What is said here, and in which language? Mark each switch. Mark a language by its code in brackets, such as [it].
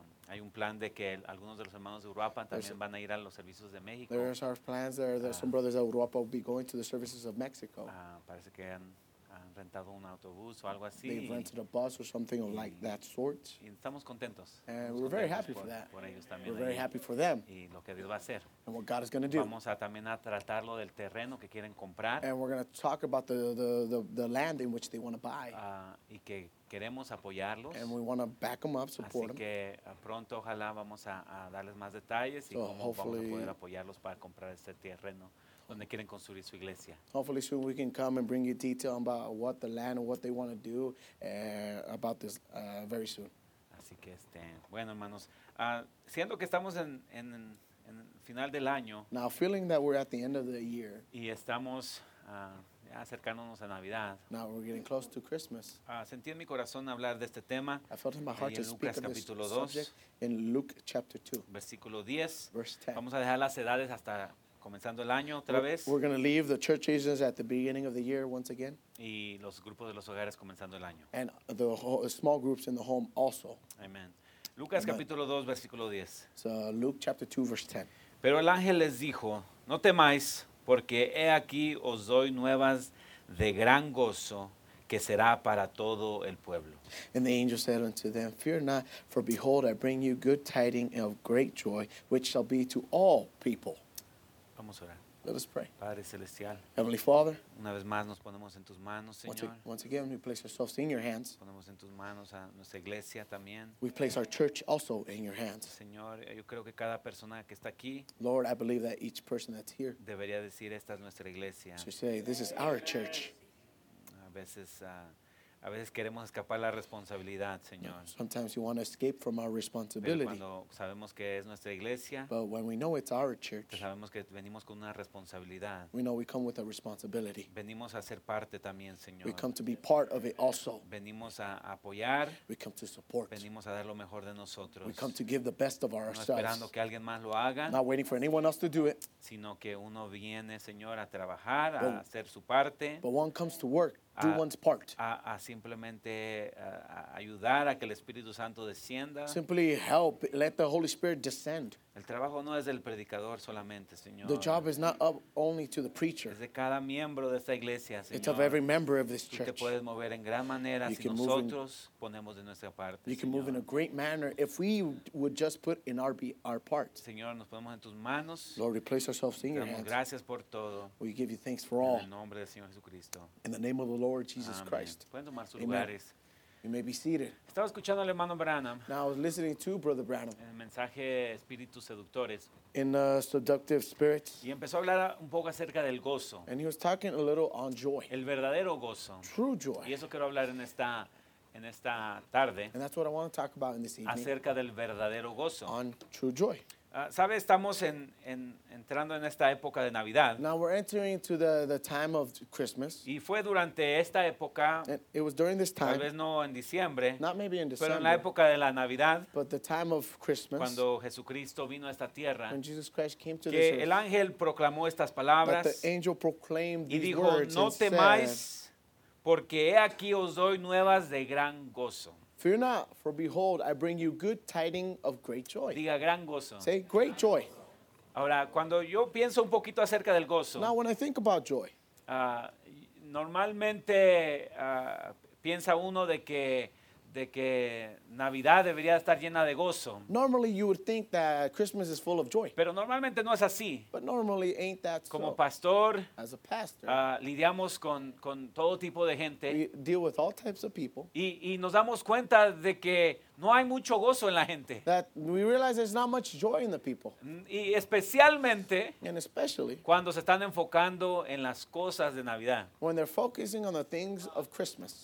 [es] Hay un plan de que algunos de los hermanos de Uruapan también van a ir a los servicios de México. [en] There's our plans there. There's some brothers at Uruapan will be going to the services of Mexico. [es] Parece que han rentado un autobús o algo así. [en] They've rented a bus or something like that sort. [es] Y estamos contentos. [en] And we're very happy for that. [es] Por ellos también. [en] We're very happy for them. [es] Y lo que Dios va a hacer. [en] And what God is going to do. [es] Vamos a también a tratar lo del terreno que quieren comprar. [en] And we're going to talk about the land in which they want to buy. [es] Y que queremos apoyarlos. [en] And we want to back them up, support them. [es] Así que pronto ojalá vamos a darles más detalles y cómo vamos a poder apoyarlos para comprar ese terreno. Donde quieren construir su iglesia. [en] Hopefully soon we can come and bring you detail about what the land and what they want to do about this very soon. [es] Así que bueno, hermanos, siento que estamos en final del año. [en] Now feeling that we're at the end of the year. [es] Y estamos acercándonos a Navidad. [en] Now we're getting close to Christmas. [es] Sentí en mi corazón hablar de este tema. [en] I felt in my heart to speak of this subject in Luke chapter 2. [es] Versículo 10. [en] Verse 10. [es] Vamos a dejar las edades hasta comenzando el año otra vez. [en] We're going to leave the church ages at the beginning of the year once again. [es] Y los grupos de los hogares comenzando el año. [en] And the small groups in the home also. [es] Amen. Lucas Amen. Capítulo 2, versículo 10. [en] So Luke chapter 2, verse 10. [es] Pero el ángel les dijo, no temáis, porque he aquí os doy nuevas de gran gozo que será para todo el pueblo. [en] And the angel said unto them, fear not, for behold, I bring you good tidings of great joy, which shall be to all people. [es] Vamos a orar. [en] Let us pray. [es] Padre celestial. [en] Heavenly Father. [es] Una vez más nos ponemos en tus manos, Señor. [en] Once again, we place ourselves in your hands. [es] Ponemos en tus manos a nuestra iglesia también. [en] We place our church also in your hands. [es] Señor, yo creo que cada persona que está aquí. [en] Lord, I believe that each person that's here. [es] Debería decir, esta es nuestra iglesia. [en] Should say, this is our church. [es] A veces A veces queremos escapar la responsabilidad, Señor. [en] Sometimes we want to escape from our responsibility. [es] Pero cuando sabemos que es nuestra iglesia, [en] but when we know it's our church, [es] sabemos que venimos con una responsabilidad. [en] We know we come with a responsibility. [es] Venimos a ser parte también, Señor. [en] We come to be part of it also. [es] Venimos a apoyar. [en] We come to support. [es] Venimos a dar lo mejor de nosotros. [en] We come to give the best of ourselves. [es] No esperando que alguien más lo haga. [en] Not waiting for anyone else to do it. [es] Sino que uno viene, Señor, a trabajar, a hacer su parte. [en] But one comes to work. Do one's part. [es] A simplemente ayudar a que el Espíritu Santo descienda. [en] Simply help, let the Holy Spirit descend. [es] El trabajo no es del predicador solamente, Señor. [en] The job is not up only to the preacher. [es] Es de cada miembro de esta iglesia, Señor. [en] It's of every member of this church. [es] Tú te puedes mover en gran manera si nosotros ponemos de nuestra parte, [en] Señor. You can move in a great manner if we would just put in our part. [es] Señor, nos ponemos en tus manos. [en] Lord, we place ourselves in your hands. [es] Gracias por todo. [en] We give you thanks for all. [es] En el nombre del Señor Jesucristo. [en] In the name of the Lord Jesus Amen. Christ. [es] Pueden tomar sus lugares. [en] You may be seated. [es] Estaba escuchando al hermano Branham. [en] Now I was listening to Brother Branham. [es] En el mensaje Espíritus Seductores. [en] In Seductive Spirits. [es] Y empezó a hablar un poco acerca del gozo. [en] And he was talking a little on joy. [es] El verdadero gozo. [en] True joy. [es] Y eso quiero hablar en esta tarde. [en] And that's what I want to talk about in this evening. [es] Acerca del verdadero gozo. [en] On true joy. [es] Sabe, estamos entrando en esta época de Navidad. [en] Now we're entering into the time of Christmas. [es] Y fue durante esta época. [en] And it was during this time. [es] Tal vez no en diciembre. [en] Not maybe in December. [es] Pero en la época de la Navidad. [en] But the time of Christmas. [es] Cuando Jesucristo vino a esta tierra. [en] When Jesus Christ came to this earth. [es] Que el ángel proclamó estas palabras. [en] That the angel proclaimed these words and said. [es] Y dijo, no temáis, porque he aquí os doy nuevas de gran gozo. [en] Fear not, for behold, I bring you good tidings of great joy. [es] Diga gran gozo. [en] Say great joy. [es] Ahora, cuando yo pienso un poquito acerca del gozo. [en] Now, when I think about joy. [es] Normalmente, piensa uno de que Navidad debería estar llena de gozo. [en] Normally, you would think that Christmas is full of joy. [es] Pero normalmente no es así. [en] But normally, ain't that [es] Como [en] so. [es] Pastor, [en] as a pastor, [es] lidiamos con todo tipo de gente. [en] We deal with all types of people. [es] Y nos damos cuenta de que no hay mucho gozo en la gente. [en] That we realize there's not much joy in the people. [es] Y especialmente, [en] and especially, [es] cuando se están enfocando en las cosas de Navidad. [en] When they're focusing on the things of Christmas.